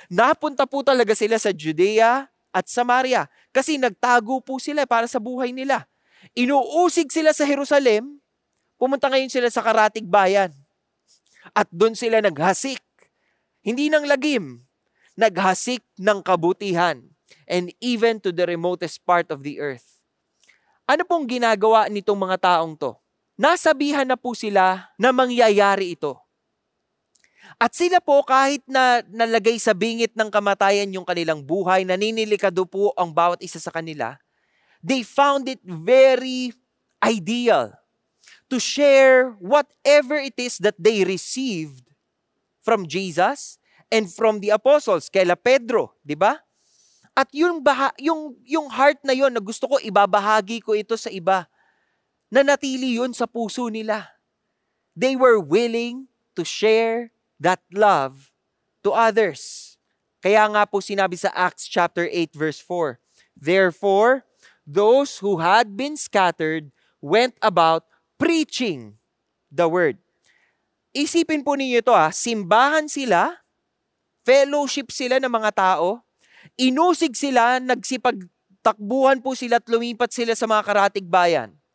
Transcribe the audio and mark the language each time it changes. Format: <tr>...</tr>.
<tl>Napunta po talaga sila sa Judea at Samaria kasi nagtago po sila para sa buhay nila. Inuusig sila sa Jerusalem, pumunta ngayon sila sa karatig bayan. At doon sila naghasik. Hindi ng lagim, naghasik ng kabutihan.</tl> <en>and even to the remotest part of the earth.</en> <tl>Ano pong ginagawa nitong mga taong to? Nasabihan na po sila na mangyayari ito. At sila po kahit na nalagay sa bingit ng kamatayan yung kanilang buhay, naninilikado po ang bawat isa sa kanila,</tl> <en>they found it very ideal to share whatever it is that they received from Jesus and from the apostles,</en> <tl>kaila Pedro, di ba? At yung heart na yon na gusto ko, ibabahagi ko ito sa iba, na natili yun sa puso nila.</tl> <en>They were willing to share that love to others.</en> <tl>Kaya nga po sinabi sa Acts chapter 8 verse 4,</tl> <en>therefore, those who had been scattered went about preaching the word.</en> <tl>Isipin po ninyo ito, simbahan sila, fellowship sila ng mga tao, inusig sila, nagsipagtakbuhan po sila at lumipat sila sa mga karatig bayan.</tl>